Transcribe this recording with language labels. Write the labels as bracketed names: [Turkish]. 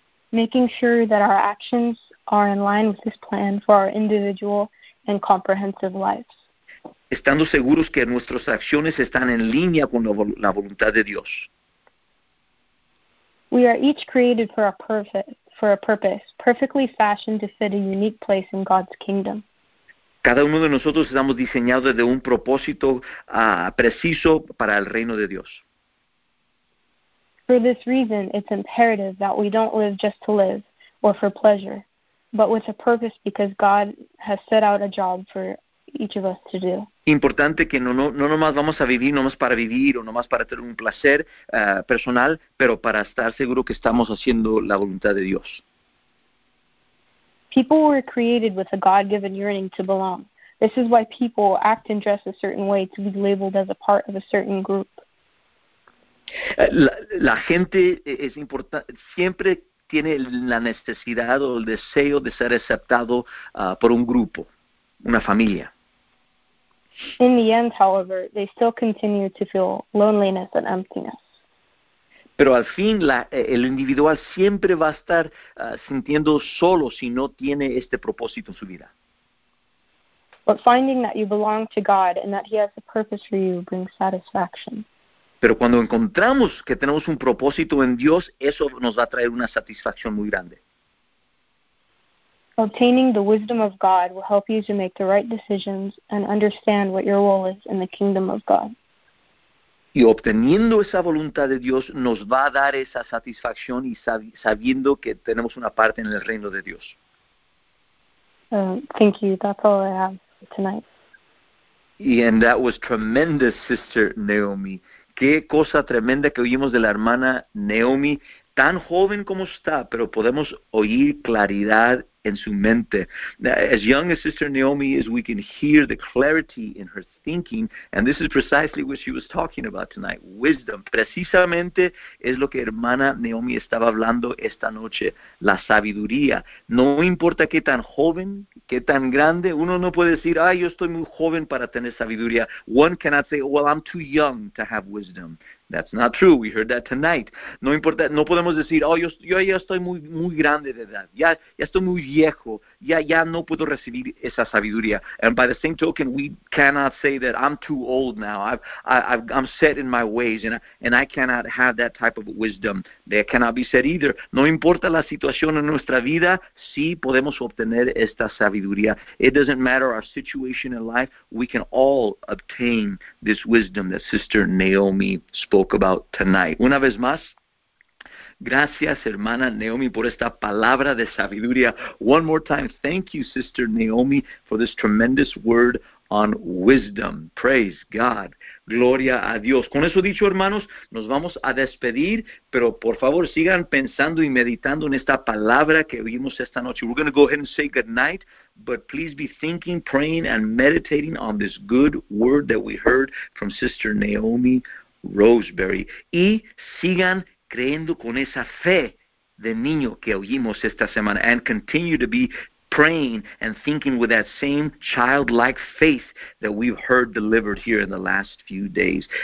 [English] Making sure that our actions are in line with His plan for our individual and comprehensive lives. [Spanish] Estando seguros que nuestras acciones están en línea con la voluntad de Dios. [English] We are each created for a purpose, perfectly fashioned to fit a unique place in God's kingdom. [Spanish] Cada uno de nosotros estamos diseñados de un propósito preciso para el reino de Dios. [English] For this reason, it's imperative that we don't live just to live or for pleasure, but with a purpose, because God has set out a job for each of us to do. [Spanish] Importante que no nomás vamos a vivir nomás para vivir o nomás para tener un placer personal, pero para estar seguro que estamos haciendo la voluntad de Dios. [English] People were created with a God-given yearning to belong. This is why people act and dress a certain way to be labeled as a part of a certain group. [Spanish] La gente es siempre tiene la necesidad o el deseo de ser aceptado por un grupo, una familia. [English] In the end, however, they still continue to feel loneliness and emptiness. [Spanish] Pero al fin, el individual siempre va a estar sintiendo solo si no tiene este propósito en su vida. [English] But finding that you belong to God and that He has a purpose for you brings satisfaction. [Spanish] Pero cuando encontramos que tenemos un propósito en Dios, eso nos va a traer una satisfacción muy grande. [English] Obtaining the wisdom of God will help you to make the right decisions and understand what your role is in the kingdom of God. [Spanish] Y obteniendo esa voluntad de Dios nos va a dar esa satisfacción y sabiendo que tenemos una parte en el reino de Dios. [English] Thank you. That's all I have for tonight. And that was tremendous, Sister Naomi. [Spanish] Qué cosa tremenda que oímos de la hermana Naomi, tan joven como está, pero podemos oír claridad en su mente. [English] As young as Sister Naomi is, we can hear the clarity in her thinking, and this is precisely what she was talking about tonight, wisdom. [Spanish] Precisamente es lo que hermana Naomi estaba hablando esta noche, la sabiduría. No importa qué tan joven, qué tan grande, uno no puede decir, ay, yo estoy muy joven para tener sabiduría. [English] One cannot say, well, I'm too young to have wisdom. That's not true. We heard that tonight. [Spanish] No importa, no podemos decir, oh, yo ya estoy muy, muy grande de edad. Ya estoy muy viejo. Ya no puedo recibir esa sabiduría. [English] And by the same token, we cannot say that I'm too old now. I'm set in my ways, and I cannot have that type of wisdom. That cannot be said either. [Spanish] No importa la situación en nuestra vida, sí podemos obtener esta sabiduría. [English] It doesn't matter our situation in life. We can all obtain this wisdom that Sister Naomi spoke about tonight. [Spanish] Una vez más, gracias, hermana Naomi, por esta palabra de sabiduría. [English] One more time, thank you, Sister Naomi, for this tremendous word on wisdom. Praise God. [Spanish] Gloria a Dios. Con eso dicho, hermanos, nos vamos a despedir, pero por favor sigan pensando y meditando en esta palabra que vimos esta noche. [English] We're going to go ahead and say good night, but please be thinking, praying, and meditating on this good word that we heard from Sister Naomi Roseberry. [Spanish] Y sigan creyendo con esa fe de niño que oímos esta semana. [English] And continue to be praying and thinking with that same childlike faith that we've heard delivered here in the last few days.